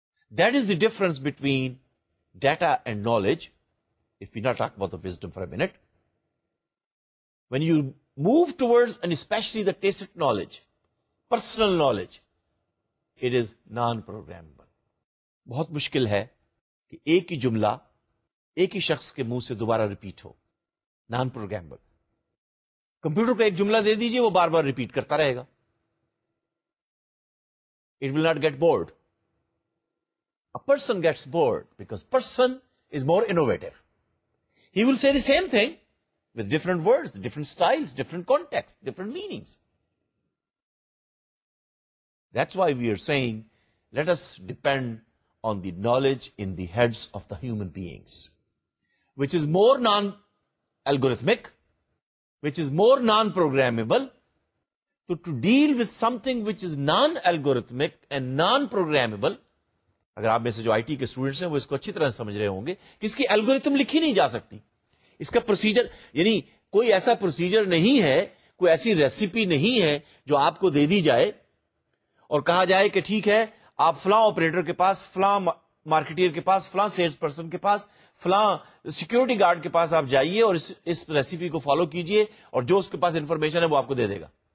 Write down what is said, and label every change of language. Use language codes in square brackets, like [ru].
[en] That is the difference between data and knowledge, if we now talk about the wisdom for a minute. When you move towards, and especially the tacit knowledge, personal knowledge, it is non-programmable. [ur] بہت مشکل ہے کہ ایک ہی جملہ ایک ہی شخص کے منہ سے دوبارہ ریپیٹ ہو. [en] Non-programmable. [ur] کمپیوٹر کو ایک جملہ دے دیجئے, وہ بار بار ریپیٹ کرتا رہے گا. [en] It will not get bored. A person gets bored because person is more innovative. He will say the same thing with different words, different styles, different context, different meanings. That's why we are saying, let us depend on the knowledge in the heads of the human beings, which is more non-algorithmic, which is more non-programmable. So to deal with something which is non-algorithmic and non-programmable, [ur] اگر آپ میں سے جو I T کے students ہیں وہ اس کو اچھی طرح سمجھ رہے ہوں گے کہ اس کی الگوریتم لکھی نہیں جا سکتی, اس کا پروسیجر, یعنی کوئی ایسا پروسیجر نہیں ہے, کوئی ایسی ریسیپی نہیں ہے جو آپ کو دے دی جائے اور کہا جائے کہ ٹھیک ہے آپ فلاں آپریٹر کے پاس, فلاں مارکیٹر کے پاس, فلاں سیلس پرسن کے پاس, فلاں سیکیورٹی گارڈ کے پاس آپ جائیے اور اس ریسیپی کو فالو کیجئے اور جو اس کے پاس انفارمیشن ہے وہ آپ کو دے دے گا.